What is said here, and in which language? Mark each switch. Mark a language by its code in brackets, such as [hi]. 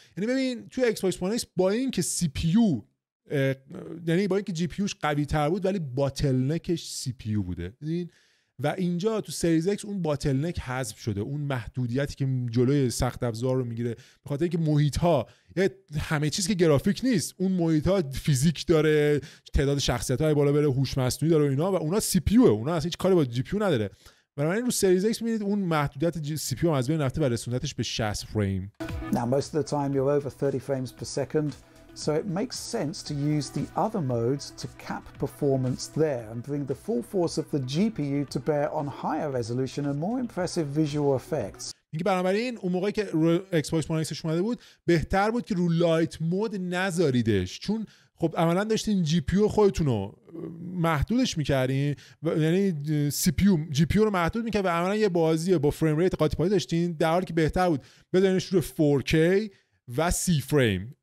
[fa] یعنی ببین تو Xbox One X با اینکه سی پی یو یعنی با اینکه جی پی یوش قوی تر بود ولی باتل نکش سی پی یو بوده، و اینجا تو سریز X اون باتل نک حذف شده، اون محدودیتی که جلوی سخت افزار رو میگیره به خاطر اینکه محیط ها همه چیز که گرافیک نیست، اون محیط ها فیزیک داره، تعداد شخصیت های بالا بره، هوش مصنوعی داره و اینا، و اونا سی پی یو، اونا اصلا هیچ کاری با جی پی یو نداره. بنابراین رو سریز X میبینید اون محدودیت سی پی یو از بین رفته و رسوندتش به 60 فریم. [en] Now most of the time you're over 30 frames per second. So it makes sense to use the other modes to cap performance there and bring the full force of the GPU to bear on higher resolution and more impressive visual effects. [fa] اینکه بنابراین اون موقعی که رو Xbox One X اومده بود بهتر بود که رو لایت مود نذاریدش، چون خب عملا داشتین جی پی یو خودتون رو محدودش میکردین، یعنی سی پی یو جی پی یو رو محدود میکرد و عملا یه بازی با فریم ریت قاطی پاتی داشتین، در حالی که بهتر بود بذارینش رو 4K و سی فریم.